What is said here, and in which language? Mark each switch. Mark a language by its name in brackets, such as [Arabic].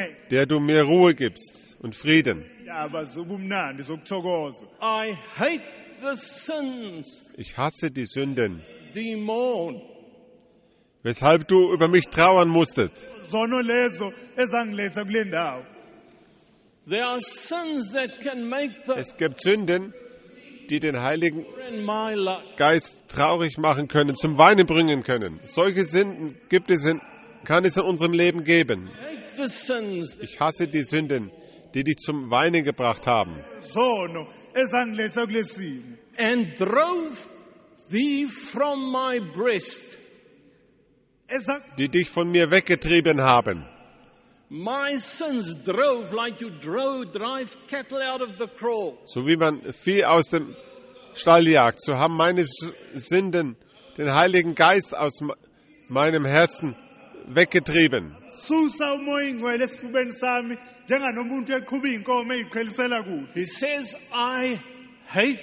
[German] Der du mir Ruhe gibst und Frieden. [English] I hate the sins. [German] Ich hasse die Sünden. [English] The moon. [German] Weshalb du über mich trauern musstest. [Zulu] Sono leso esangiletha kule ndawo. [English] There are sins that can make the. [German] Es gibt Sünden, die den Heiligen Geist traurig machen können, zum Weinen bringen können. Solche Sünden gibt es in, kann es in unserem Leben geben. Ich hasse die Sünden, die dich zum Weinen gebracht haben. [English] And drove thee from my breast. [German] Die dich von mir weggetrieben haben. [English] My sins drove like you drive cattle out of the crawl. [German] So wie man Vieh aus dem Stall jagt, so haben meine Sünden den Heiligen Geist aus meinem Herzen weggetrieben. [English] He says, I hate.